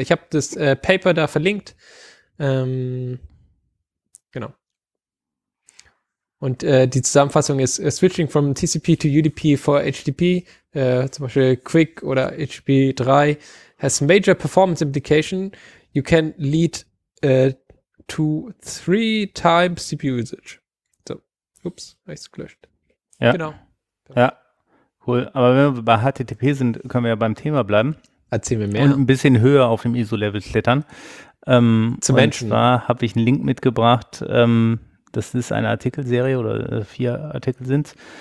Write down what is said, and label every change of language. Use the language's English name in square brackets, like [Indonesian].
[German] Ich habe das Paper da verlinkt. Genau. Und die Zusammenfassung ist [English] Switching from TCP to UDP for HTTP, [German] zum Beispiel [English] Quick oder HTTP 3, has major performance implication. You can lead to 3 times CPU usage. [German] So. Ups, habe ich es gelöscht. Ja. Genau. Ja. Cool. Aber wenn wir bei HTTP sind, können wir ja beim Thema bleiben. Erzähl mir mehr. Und ein bisschen höher auf dem ISO-Level klettern. Zu Menschen. Und zwar habe ich einen Link mitgebracht. Das ist eine Artikelserie oder 4 Artikel sind es.